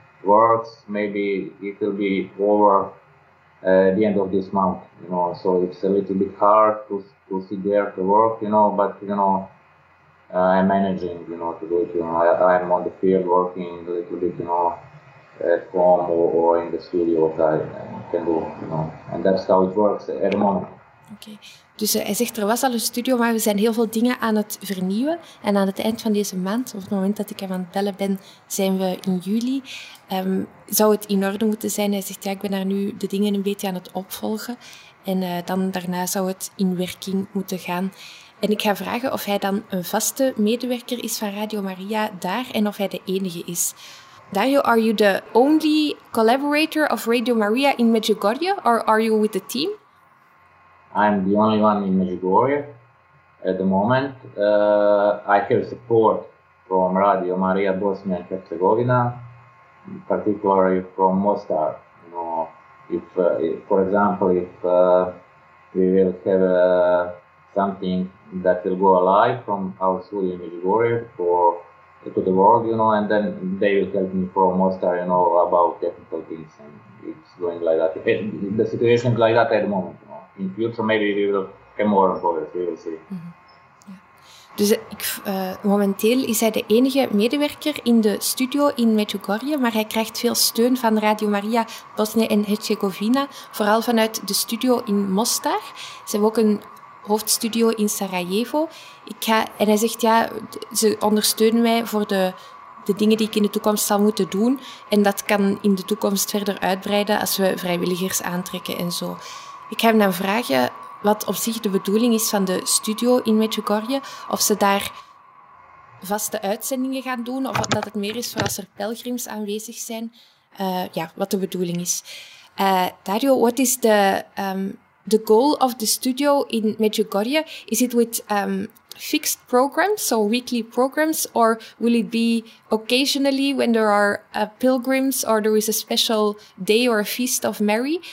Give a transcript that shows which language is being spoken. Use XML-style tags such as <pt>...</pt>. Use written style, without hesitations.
<en>Works, maybe it will be over the end of this month, you know, so it's a little bit hard to sit there to work, you know, but, you know, I'm managing, you know, to do it, you know, I'm on the field working a little bit, you know, at home or in the studio that I can do, you know, and that's how it works at the moment. Okay.</en> <nl>Dus hij zegt, er was al een studio, maar we zijn heel veel dingen aan het vernieuwen. En aan het eind van deze maand, op het moment dat ik hem aan het bellen ben, zijn we in juli. Zou het in orde moeten zijn? Hij zegt, ja, ik ben daar nu de dingen een beetje aan het opvolgen. En dan daarna zou het in werking moeten gaan. En ik ga vragen of hij dan een vaste medewerker is van Radio Maria daar en of hij de enige is.</nl> <en>Dario, are you the only collaborator of Radio Maria in Medjugorje? Or are you with the team? I'm the only one in Medjugorje at the moment. I have support from Radio Maria Bosnia and Herzegovina, particularly from Mostar. You know, if we will have something that will go alive from our studio in Medjugorje to the world, you know, and then they will help me from Mostar, you know, about technical things, and it's going like that. The situation is like that at the moment. In the future, maybe we will have more employers, we will see.</en> <nl>Mm-hmm. Ja. Dus momenteel is hij de enige medewerker in de studio in Medjugorje, maar hij krijgt veel steun van Radio Maria Bosnië en Herzegovina, vooral vanuit de studio in Mostar. Ze hebben ook een hoofdstudio in Sarajevo. En hij zegt, ja, ze ondersteunen mij voor de dingen die ik in de toekomst zal moeten doen. En dat kan in de toekomst verder uitbreiden als we vrijwilligers aantrekken en zo. Ik ga hem dan vragen wat op zich de bedoeling is van de studio in Medjugorje. Of ze daar vaste uitzendingen gaan doen, of dat het meer is voor als er pelgrims aanwezig zijn. Wat de bedoeling is.</nl> <en>Dario, what is the goal of the studio in Medjugorje? Is it with fixed programs, so weekly programs, or will it be occasionally when there are pilgrims or there is a special day or a feast of Mary?</en>